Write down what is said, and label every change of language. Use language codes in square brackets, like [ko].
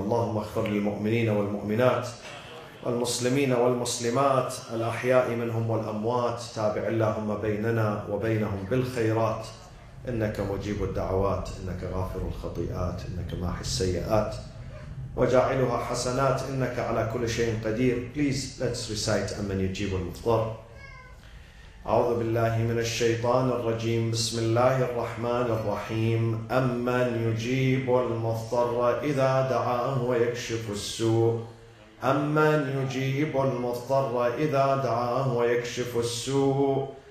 [ar] اللهم اغفر للمؤمنين والمؤمنات والمسلمين والمسلمات الأحياء منهم والأموات. تابع اللهم بيننا وبينهم بالخيرات. إنك مجيب الدعوات. إنك غافر الخطيئات. إنك ماحي السيئات وجاعلها حسنات. إنك على كل شيء قدير. [en] Please let's recite [ar] أمن يجيب المضطر. أعوذ بالله من الشيطان الرجيم. بسم الله الرحمن الرحيم. أمن يجيب المضطر إذا دعاه ويكشف السوء. أمن يجيب المضطر إذا دعاه ويكشف السوء.